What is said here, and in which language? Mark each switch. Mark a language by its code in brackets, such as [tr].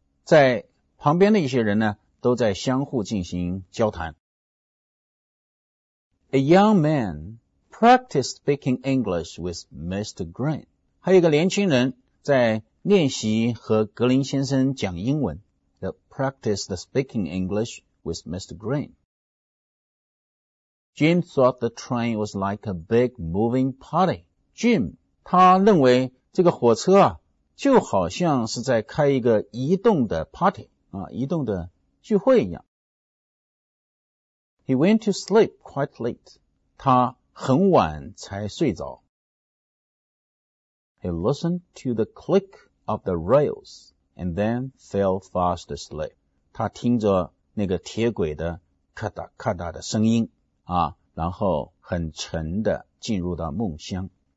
[zh] 在旁边的一些人呢都在相互进行交谈。 [en] A young man practiced speaking English with Mr. Green. [zh] 还有一个年轻人在练习和格林先生讲英文。 [en] He practiced speaking English with Mr. Green. Jim thought the train was like a big moving party. [zh] Jim, 他认为这个火车啊就好像是在开一个移动的 party, 啊移动的聚会一样。 [en] He went to sleep quite late. [zh] 他很晚才睡着。 [en] He listened to the click of the rails and then fell fast asleep. [zh] 他听着那个铁轨的咔嗒咔嗒的声音。啊，然后很沉的进入到梦乡。